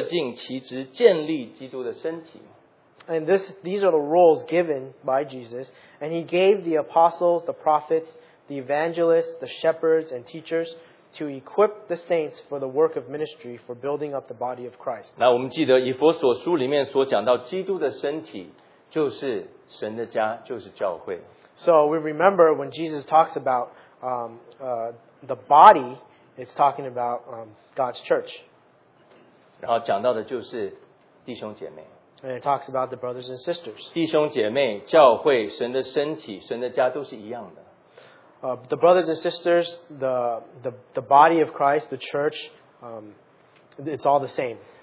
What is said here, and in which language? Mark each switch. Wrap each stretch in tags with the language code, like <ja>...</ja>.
<zh>这是讲到神在教会里面，他所赐的有使徒、有先知、有传福音的、有牧师和教师，为要成全圣徒，各尽其职，建立基督的身体。</zh> <en>And this, these are the roles given by Jesus. And he gave the apostles, the prophets, the evangelists, the shepherds, and teachers to equip the saints for the work of ministry for building up the body of Christ.</en> <zh>那我们记得以弗所书里面所讲到基督的身体就是神的家，就是教会。</zh> <en>So we remember when Jesus talks about the body, it's talking about God's church.</en> <zh>然后讲到的就是弟兄姐妹。</zh> <en>And it talks about the brothers and sisters.</en> <zh>弟兄姐妹、教会、神的身体、神的家都是一样的。</zh> <en>The brothers and sisters, the body of Christ, the church, it's all the same.</en>